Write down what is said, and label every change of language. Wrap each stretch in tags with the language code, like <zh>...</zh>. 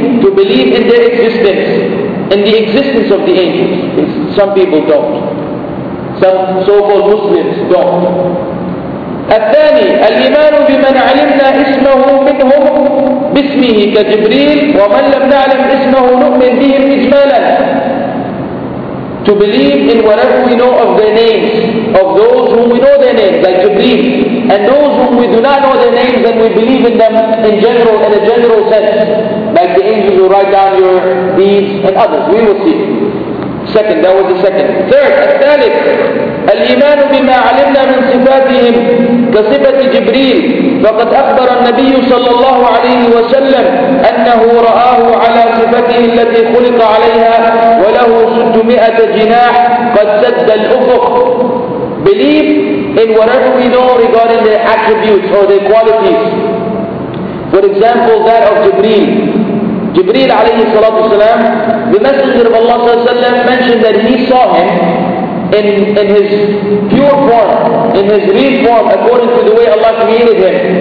<en>To believe in their existence, in the existence of the angels. Some people don't. Some so-called Muslims don't.</en> <ar>الثاني الإيمان بمن علمنا اسمه منهم باسمه كجبريل، ومن لم نعلم اسمه نؤمن بهم إجمالا.</ar> <en>To believe in whatever we know of their names, of those whom we know their names, like Jibreel, and those whom we do not know their names, then we believe in them in general, in a general sense, like the angels who write down your deeds and others. We will see. Second, that was the second. Third,</en> <ar>الثالث الإيمان بما علمنا من صفاتهم كصفة جبريل، فقد أخبر النبي صلى الله عليه وسلم أنه رآه على صفته التي خلق عليها وله 600 جناح قد سد الأفق.</ar> <en>Believe in whatever we know regarding their attributes or their qualities. For example, that of Jibreel. Jibreel عليه الصلاة والسلام, the Messenger of Allah صلى الله عليه وسلم mentioned that he saw him in his pure form, in his real form, according to the way Allah created him.</en>